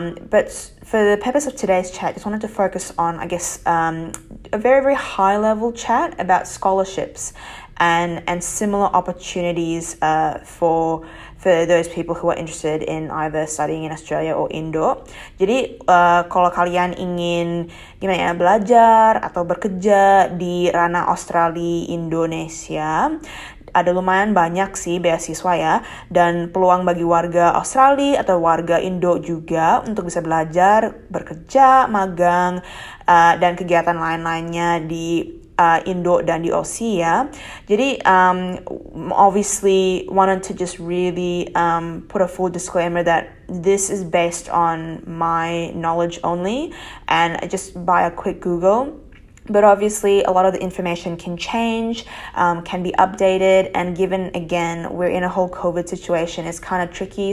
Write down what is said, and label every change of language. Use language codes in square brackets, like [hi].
[en] But for the purpose of today's chat, just wanted to focus on, I guess, a very, very high level chat about scholarships and similar opportunities for those people who are interested in either studying in Australia or indoor. [id] Jadi kalau kalian ingin gimana ya, belajar atau bekerja di ranah Australia Indonesia, ada lumayan banyak sih beasiswa ya, dan peluang bagi warga Australia atau warga Indo juga untuk bisa belajar, bekerja, magang, dan kegiatan lain-lainnya di Indo dan di Aussie ya. [en] Jadi obviously wanted to just really put a full disclaimer that this is based on my knowledge only and just by a quick Google. But obviously, a lot of the information can change, can be updated, and given, again, we're in a whole COVID situation, it's kind of tricky.